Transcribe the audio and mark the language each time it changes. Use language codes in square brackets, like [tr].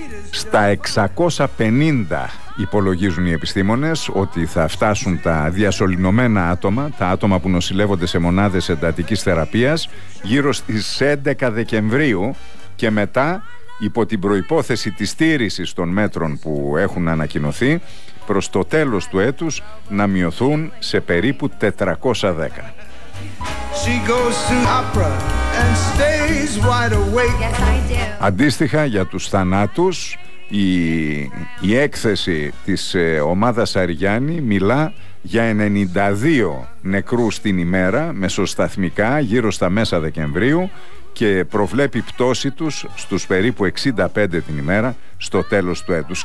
[el] Στα 650 υπολογίζουν οι επιστήμονες ότι θα φτάσουν τα διασωληνωμένα άτομα, τα άτομα που νοσηλεύονται σε μονάδες εντατικής θεραπείας, γύρω στις 11 Δεκεμβρίου και μετά, υπό την προϋπόθεση της στήρησης των μέτρων που έχουν ανακοινωθεί, προς το τέλος του έτους να μειωθούν σε περίπου 410. [en] She goes to opera and stays wide awake. Yes, I do. [el] Αντίστοιχα για τους θανάτους, η έκθεση της ομάδας Αριγιάννη μιλά για 92 νεκρούς την ημέρα μεσοσταθμικά γύρω στα μέσα Δεκεμβρίου και προβλέπει πτώση τους στους περίπου 65 την ημέρα στο τέλος του έτους.